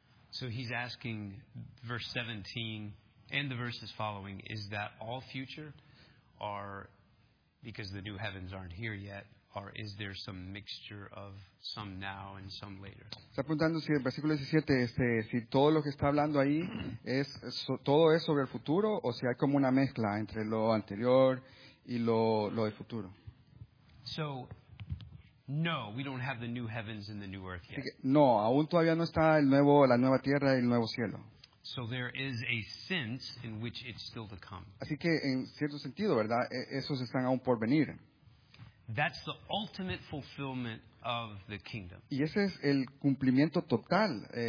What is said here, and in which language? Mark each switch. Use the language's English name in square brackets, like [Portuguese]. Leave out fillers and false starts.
[English] So he's asking verse 17 and the verses following, is that all future, or because the new heavens aren't here yet, or is there some mixture of some now and some later? [Spanish] Está preguntando si el versículo 17, si todo lo que está hablando ahí es todo es sobre el futuro, o si hay como una mezcla entre lo anterior y lo del futuro. [English] So no, we don't have the new heavens and the new earth yet. [Spanish] No, aún todavía no está la nueva tierra y el nuevo cielo. [English] So there is a sense in which it's still to come. [Spanish] Así que en cierto sentido, ¿verdad? Esos están aún por venir. [English] That's the ultimate fulfillment of the kingdom. [Spanish] Y ese es el cumplimiento total